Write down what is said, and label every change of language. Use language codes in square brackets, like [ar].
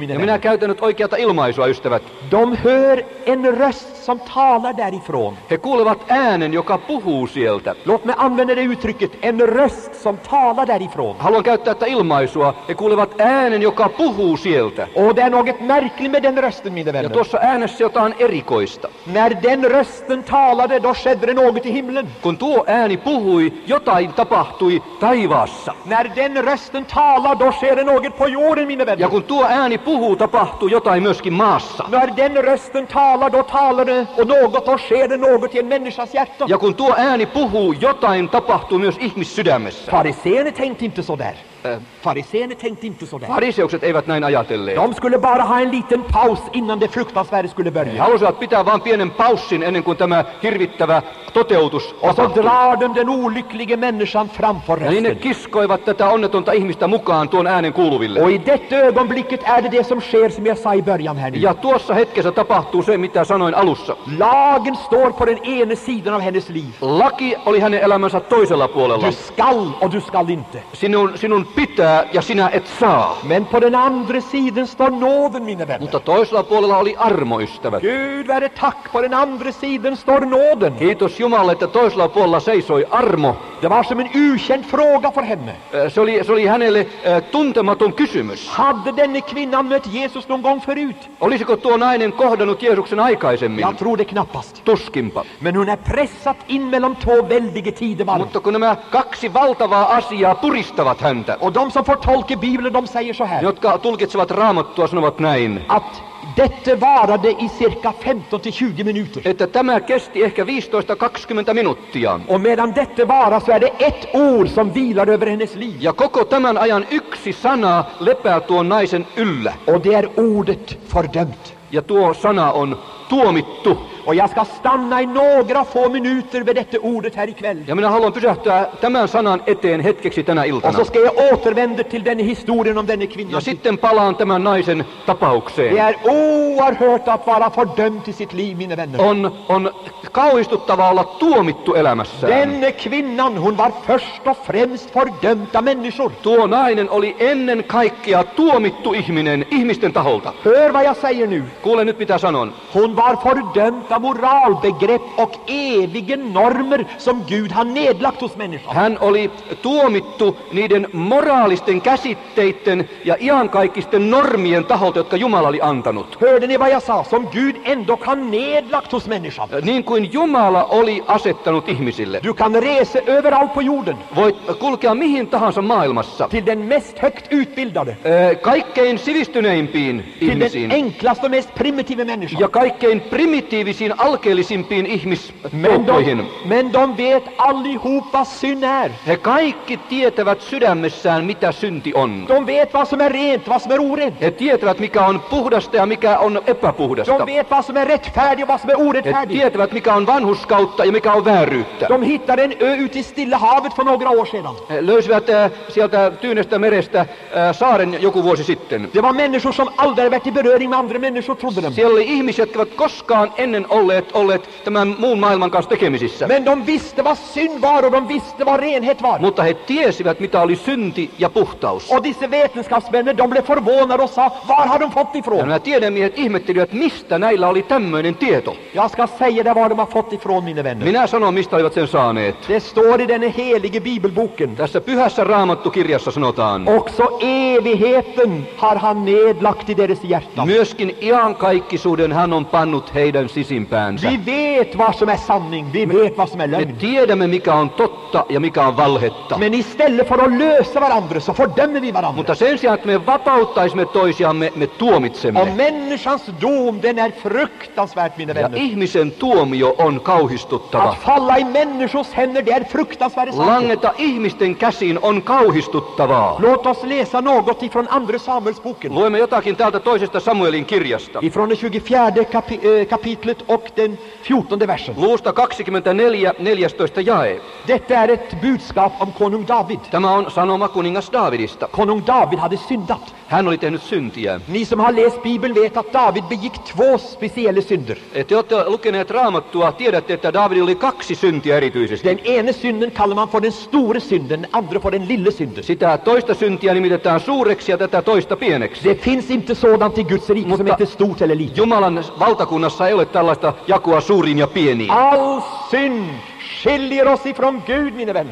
[sv] vänner. [fi] Ja minä käytän nyt oikeata ilmaisua, ystävät. [sv] De hör en röst som talar därifrån. [fi] He kuulevat äänen, joka puhuu sieltä. [sv] Låt mig använda det uttrycket, en röst som talar därifrån. [fi] Haluan käyttää tätä ilmaisua, he kuulevat äänen, joka puhuu sieltä. [sv] Och det är något märkligt med den rösten, mine vänner. [fi] Ja tuossa äänessä jotain erikoista. [sv] När den rösten talade, då skedde det något i himlen. [fi] Kun tuo ääni puhui, jotain tapahtui taivaassa. [sv] När den rösten talar, då sker det något på jorden, mine vänner. [fi] Ja kun tuo ääni puhuu, tapahtuu jotain myöskin maassa. [sv] När den rösten talar, då talar det, och något, då sker det något i en människas hjärta. [fi] Ja kun tuo ääni puhuu, jotain tapahtuu myös ihmissydämessä. [sv] Fariseerna tänkte inte så där. Fariseerna tänkte inte så där. [fi] Fariseukset eivät näin ajatelleet. [sv] De skulle bara ha en liten paus innan det fruktansvärde skulle börja. [fi] He halusivat pitää vaan pienen paussin ennen kuin tämä hirvittävä toteutus tapahtui. [sv] Och så drar de den olycklige människan framför resten. [fi] Ja niin he kiskoivat tätä onnetonta ihmistä mukaan tuon äänen kuuluville. [sv] Och i detta ögonblicket är det det som sker som jag sa i början här. [fi] Ja tuossa hetkessä tapahtuu se mitä sanoin alussa. [sv] Lagen står på den ene sidan av hennes liv. [fi] Laki oli hänen elämänsä toisella puolella. [sv] Du skall och du skall inte. [fi] Sinun pitää ja sinä et saa. [sv] Men på den andra sidan står nåden, mine vänner. [fi] Mutta toisella puolella oli armo, ystävät. [sv] Gud, värde tack, på den andra sidan står nåden. [fi] Kiitos Jumalle, että toisella puolella seisoi armo. [sv] Det var som en ukänd fråga för henne. [fi] Se oli hänelle tuntematon kysymys. [sv] Hade denne kvinnan mött Jesus någon gång förut? [fi] Olisiko tuo nainen kohdannut Jeesuksen aikaisemmin? [sv] Jag tror det knappast. [fi] Tuskinpa. [sv] Men hon är pressat in mellan två väldiga tidevarv. [fi] Mutta kun nämä kaksi valtavaa asiaa puristavat häntä. [sv] Och de som får tolka Bibeln, de säger så här. [fi] Jotka tulkitsevat Raamattua sanovat näin. [sv] Att detta varade i cirka 15-20 minuter. [fi] Että tämä kesti ehkä 15-20 minuuttia. [sv] Och medan detta varar så är det ett ord som vilar över hennes liv. [fi] Ja koko tämän ajan yksi sana lepää tuon naisen yllä. [sv] Och det är ordet fördömt. [fi] Ja tuo sana on tuomittu. [sv] Och jag ska stanna i några få minuter vid detta ordet här ikväll. [fi] Ja minä haluan pysähtyä tämän sanan eteen hetkeksi tänä iltana. [sv] Och så ska jag återvända till den historien om denne kvinnan. [fi] Ja sitten palaan tämän naisen tapaukseen. [sv] Det är oerhört att vara fördömt i sitt liv, mina vänner. [fi] On kauhistuttavaa olla tuomittu elämässään. [sv] Denne kvinnan, hon var först och främst fördömta människor. [fi] Tuo nainen oli ennen kaikkea tuomittu ihminen ihmisten taholta. [sv] Hör vad jag säger nu. [fi] Kuule nyt mitä sanon. [sv] Hon var fördömt av moralbegrepp och eviga normer som Gud har nedlagt hos människan. [fi] Hän oli tuomittu niiden moraalisten käsitteiden ja iankaikkisten normien taholta, jotka Jumala oli antanut. [sv] Hörde ni vad jag sa? Som Gud ändå har nedlagt hos människan. [fi] Niin kuin Jumala oli asettanut ihmisille. [sv] Du kan resa överallt på jorden. [fi] Voit kulkea mihin tahansa maailmassa. [sv] Till den mest högt utbildade. [fi] Kaikkein sivistyneimpiin [sv] till [fi] ihmisiin. [sv] Till den enklaste, mest primitive människan. [fi] Ja kaikkein primitiivisiin. Siin alkeellisimpiin ihmistoukkoihin. [sv] Men de vet allihopa synär. [fi] He kaikki tietävät sydämessään, mitä synti on. [sv] De vet vad som är rent, vad som är orent. [fi] He tietävät, mikä on puhdasta ja mikä on epäpuhdasta. [sv] De vet vad som är rättfärdigt, vad som är orättfärdigt. [fi] He tietävät, mikä on vanhuskautta ja mikä on vääryyttä. [sv] De hittar en ö ut i stilla havet för några år sedan. [fi] He löysivät sieltä tyynestä merestä saaren joku vuosi sitten. [sv] Det var människor som aldrig varit i beröring med andra människor, trodde de. [fi] Siellä oli ihmiset, jotka koskaan ennen olleet tämän muun maailman kanssa tekemisissä. [sv] Men de visste vad synd var och de visste vad renhet var. [fi] Mutta he tiesivät mitä oli synti ja puhtaus. [sv] Och dessa vetenskapsmännen de blev förvånade och sa var har de fått ifrån? [fi] Ja nämä tiedemiehet ihmettelivät mistä näillä oli tämmöinen tieto. [sv] Jag ska säga det var de har fått ifrån mina vänner. [fi] Minä sanon mistä olivat sen saaneet. [sv] Det står i den helige bibelboken. [fi] Tässä pyhässä raamattukirjassa sanotaan. [sv] Också evigheten har han nedlagt i deras hjärta. [fi] Myöskin iankaikkisuuden hän on pannut heidän sisimpäänsä. [sv] Vi vet vad som är sanning, vi vet vad som är lögn. [fi] Me tiedämme mikä on totta ja mikä on valhetta. [sv] Men istället för att lösa varandra så fördömer vi varandra. [fi] Mutta sen sijaan, että me vapauttaisimme toisiamme, me tuomitsemme. [sv] Och människans dom, den är fruktansvärt, mina vänner. [fi] Ja ihmisen tuomio on kauhistuttava. [sv] Att falla i människors händer, det är fruktansvärt. [fi] Langeta ihmisten käsiin on kauhistuttavaa. [sv] Låt oss läsa något ifrån andra Samuels boken. [fi] Luemme jotakin täältä toisesta Samuelin kirjasta. [sv] Ifrån det 24 kapitlet och den 14 versen. [fi] Luusta 24, 14 jae. [sv] Detta är ett budskap om konung David. [fi] Tämä on sanoma kuningas Davidista. [sv] Konung David hade syndat. [fi] Hän oli tehnyt syntiä. [sv] Ni som har läst Bibeln vet att David begick två speciella synder. [fi] Et te olette lukeneet raamattua, tiedätte, että David oli kaksi syntiä erityisesti. [sv] Den ene synden kallar man för den stora synden, den andra för den lilla synden. [fi] Sitä toista syntiä nimitetään suureksi ja tätä toista pieneksi. [sv] Det finns inte sådant i Guds rike som heter stort eller litet. [fi] Jumalan valtakunnassa ei ole tällaista jakua suuriin ja pieniin. [sv] All synd skiljer oss ifrån Gud, mina vänner.